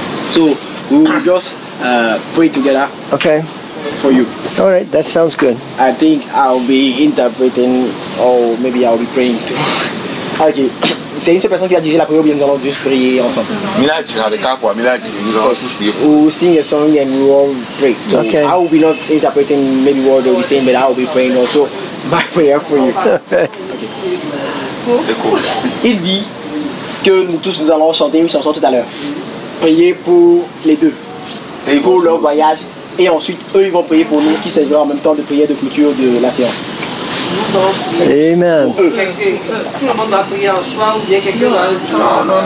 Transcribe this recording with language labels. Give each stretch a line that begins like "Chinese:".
English: So, we will just... pray together. Okay. For you. All right, that sounds good. I think I'll be interpreting, or maybe I'll be praying too. Okay.
French: C'est une personne qui a dirigé la prière, ou bien nous allons juste prier ensemble. Milaji, à l'écart pour Milaji, nous allons tous prier.
English: We will sing a song and we will pray. So okay. I will be not interpreting maybe what they'll be saying, but I will be praying also my prayer for you. Okay.
French: Il dit que nous tous nous allons chanter une chanson tout à l'heure. Priez pour les deux. Et pour leur voyage, et ensuite eux ils vont prier pour nous qui servira en même temps de prière de clôture de la séance. Amen. Tout le monde va prier en soi ou bien quelqu'un va.